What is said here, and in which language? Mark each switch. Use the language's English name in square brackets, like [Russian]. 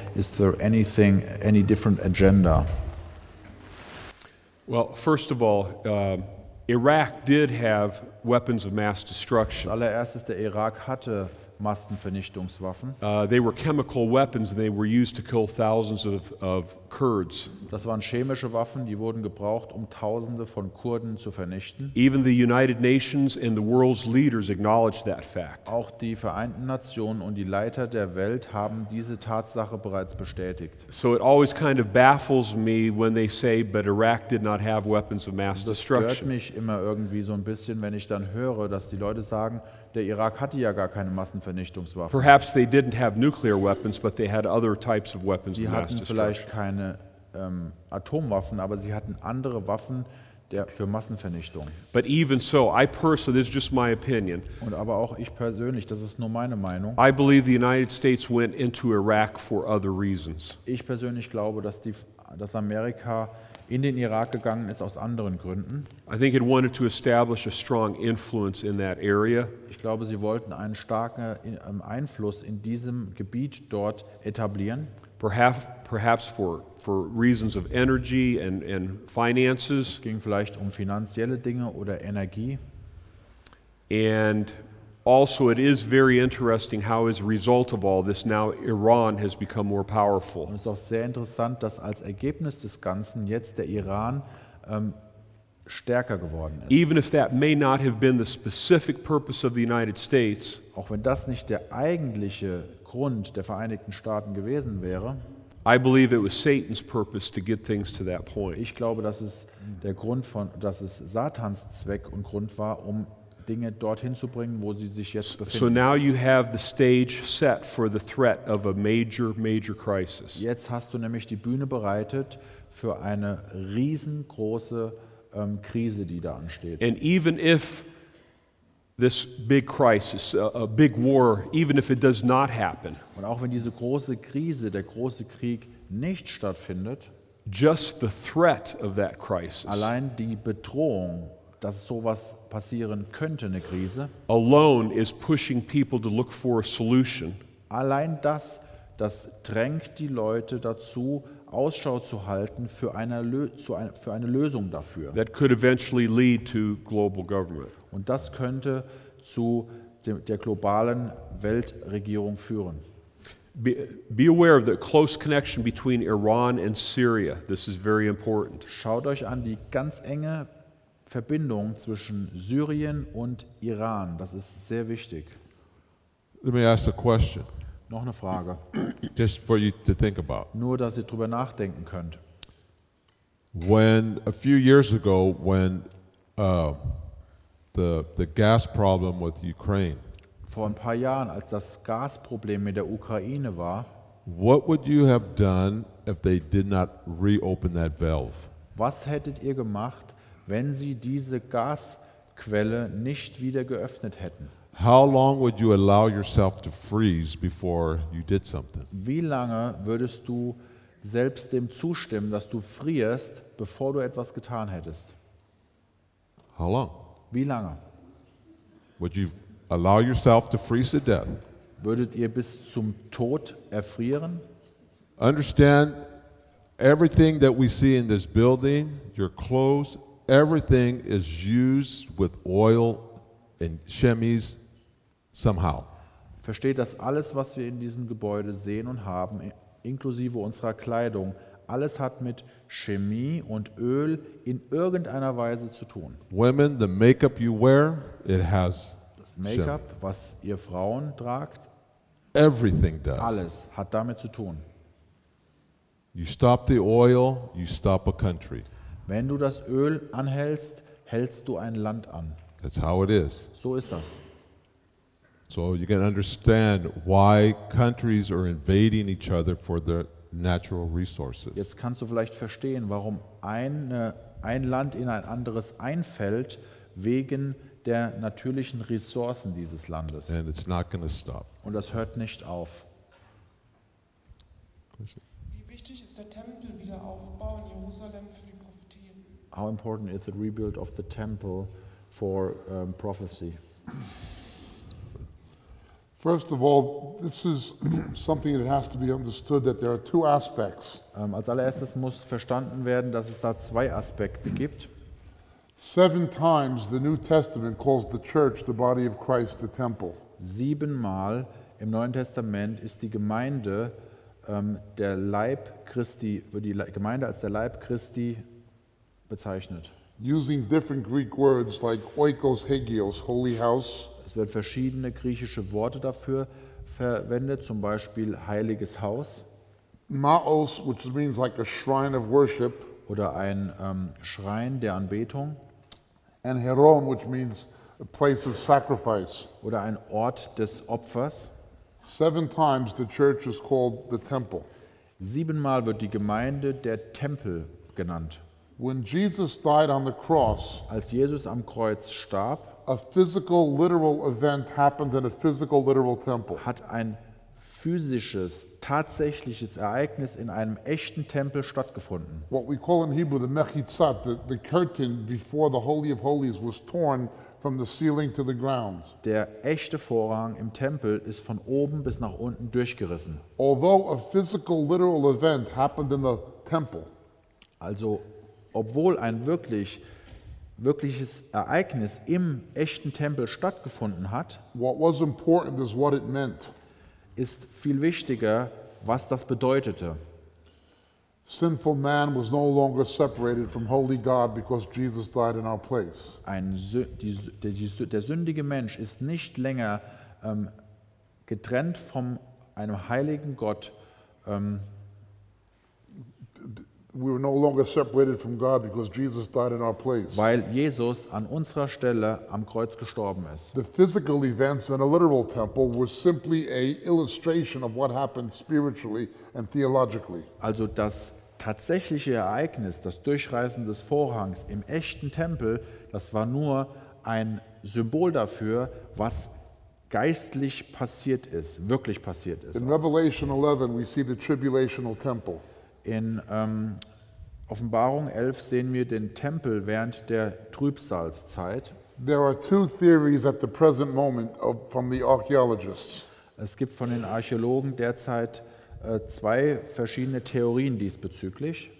[English] Is there anything, any different agenda? Well, first of all, Iraq did have weapons of mass destruction. [German] Als allererstes, der Irak hatte Massenvernichtungswaffen. [English] They were chemical weapons, and they were used to kill thousands of Kurds. [German] Das waren chemische Waffen, die wurden gebraucht, um Tausende von Kurden zu vernichten. [English] Even the United Nations and the world's leaders acknowledged that fact. [German] Auch die Vereinten Nationen und die Leiter der Welt haben diese Tatsache bereits bestätigt. [English] So it always kind of baffles me when they say, but Iraq did not have weapons of mass destruction. [German] Das stört mich immer irgendwie so ein bisschen, wenn ich dann höre, dass die Leute sagen, der Irak hatte ja gar keine Massenvernichtungswaffen. [English] Perhaps they didn't have nuclear weapons, but they had other types of weapons of mass destruction. [German] Sie hatten vielleicht keine Atomwaffen, aber sie hatten andere Waffen für Massenvernichtung. [English] But even so, I personally, this is just my opinion. [German] Und aber auch ich persönlich, das ist nur meine Meinung. [English] I believe the United States went into Iraq for other reasons. [German] Ich persönlich glaube, dass Amerika in den Irak gegangen ist aus anderen Gründen. [English] I think it wanted to establish a strong influence in that area. [German] Ich glaube, sie wollten einen starken Einfluss in diesem Gebiet dort etablieren. [English] Perhaps for reasons of energy and finances. [German] Es ging vielleicht um finanzielle Dinge oder Energie. [English] And also it is very interesting how as a result of all this now Iran has become more powerful. [German] Und es ist auch sehr interessant, dass als Ergebnis des Ganzen jetzt der Iran stärker geworden ist. [English] Even if that may not have been the specific purpose of the United States, [German] auch wenn das nicht der eigentliche Grund der Vereinigten Staaten gewesen wäre, [English] I believe it was Satan's purpose to get things to that point. [German] Ich glaube, dass es der Grund von, dass es Satans Zweck und Grund war, um Dinge dorthin zu bringen, wo sie sich jetzt befinden. [English] So now you have the stage set for the threat of a major crisis. [German] Jetzt hast du nämlich die Bühne bereitet für eine riesengroße Krise, die da ansteht. [English] And even if this big crisis, a big war, even if it does not happen, [German] und auch wenn diese große Krise, der große Krieg nicht stattfindet, [English] just the threat of that crisis, [German] allein die Bedrohung, dass sowas passieren könnte, eine Krise, [English] alone is pushing people to look for a solution. [German] Allein das drängt die Leute dazu, Ausschau zu halten für eine Lösung dafür. [English] That could eventually lead to global government. [German] Und das könnte zu der globalen Weltregierung führen. [English] Be aware of the close connection between Iran and Syria. This is very important. [German] Schaut euch an die ganz enge Verbindung zwischen Syrien und Iran. Das ist sehr wichtig. [English] Let me ask a question. [German] Noch eine Frage. [English] Just for you to think about. [German] Nur, dass ihr drüber nachdenken könnt. [English] When a few years ago, when the gas problem with Ukraine. [German] Vor ein paar Jahren, als das Gasproblem mit der Ukraine war. [English] What would you have done if they did not reopen that valve? [German] Was hättet ihr gemacht, wenn sie diese Gasquelle nicht wieder geöffnet hätten? [English] How long would you allow yourself to freeze before you did something? [German] Wie lange würdest du selbst dem zustimmen, dass du frierst, bevor du etwas getan hättest? [English] How long? [German] Wie lange? [English] Would you allow yourself to freeze to death? [German] Würdet ihr bis zum Tod erfrieren? [English] Understand, everything that we see in this building, your clothes, everything is used with oil and chemies somehow. [German] Versteht, dass alles, was wir in diesem Gebäude sehen und haben, inklusive unserer Kleidung, alles hat mit Chemie und Öl in irgendeiner Weise zu tun. [English] Women, the makeup you wear, it has [German] das Make-up, chemie. Was ihr Frauen tragt, [English] everything does. [German] Alles hat damit zu tun. [English] You stop the oil, you stop a country. [German] Wenn du das Öl anhältst, hältst du ein Land an. [English] That's how it is. [German] So ist das. [English] So you can understand why countries are invading each other for their natural resources. [German] Jetzt kannst du vielleicht verstehen, warum ein Land in ein anderes einfällt wegen der natürlichen Ressourcen dieses Landes. [English] And it's not going to stop. [German] Und das hört nicht auf. Wie wichtig ist der Tempelwiederaufbau in Jerusalem für die Prophetien? [English] How important is the rebuild of the temple for prophecy? First of all, this is something that has to be understood that there are two aspects. [German] Als allererstes muss verstanden werden, dass es da zwei Aspekte gibt. [English] Seven times the New Testament calls the church, the body of Christ, the temple. [German] Siebenmal im Neuen Testament ist die Gemeinde der Leib Christi, wird die Gemeinde als der Leib Christi bezeichnet. [English] Using different Greek words like oikos, hagios, holy house. [German] Es werden verschiedene griechische Worte dafür verwendet, zum Beispiel heiliges Haus. [English] Naos, which means like a shrine of worship. [German] Oder ein Schrein der Anbetung. [English] And heron, which means a place of sacrifice. [German] Oder ein Ort des Opfers. [English] 7 times the church is called the temple. [German] 7-mal wird die Gemeinde der Tempel genannt. [English] When Jesus died on the cross, [German] als Jesus am Kreuz starb, [English] a physical literal event happened in a physical literal temple. [German] Hat ein physisches, tatsächliches Ereignis in einem echten Tempel stattgefunden. [English] What we call in Hebrew the mechitzat, the curtain before the Holy of Holies was torn from the ceiling to the ground. [German] Der echte Vorhang im Tempel ist von oben bis nach unten durchgerissen. [English] Although a physical literal event happened in the temple. [German] Also obwohl ein wirkliches Ereignis im echten Tempel stattgefunden hat, [English] what was important is what it meant. [German] Ist viel wichtiger, was das bedeutete. [English] Sinful man was no longer separated from holy God because Jesus died in our place. [German] Der sündige Mensch ist nicht länger getrennt von einem heiligen Gott. [English] We were no longer separated from God because Jesus died in our place. [German] Weil Jesus an unserer Stelle am Kreuz gestorben ist. [English] The physical events in a literal temple were simply a illustration of what happened spiritually and theologically. [German] Also das tatsächliche Ereignis, das Durchreißen des Vorhangs im echten Tempel, das war nur ein Symbol dafür, was geistlich passiert ist, wirklich passiert ist. [English] In Revelation 11 we see the tribulational temple. [German] In Offenbarung 11 sehen wir den Tempel während der Trübsalzeit. [English] There are two theories at the present moment from the archaeologists. [German] Es gibt von den Archäologen derzeit 2 verschiedene Theorien diesbezüglich.